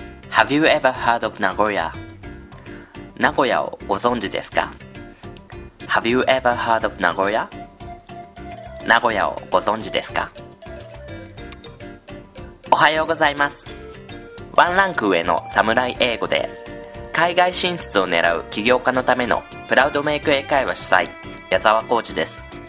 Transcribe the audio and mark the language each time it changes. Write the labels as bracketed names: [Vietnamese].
[English] Have you ever heard of Nagoya? [Japanese] 名古屋をご存知ですか? [English] Have you ever heard of Nagoya? [Japanese] 名古屋をご存知ですか? おはようございます。ワンランク上のサムライ英語で、海外進出を狙う起業家のためのプラウドメイク英会話主催、矢沢浩二です。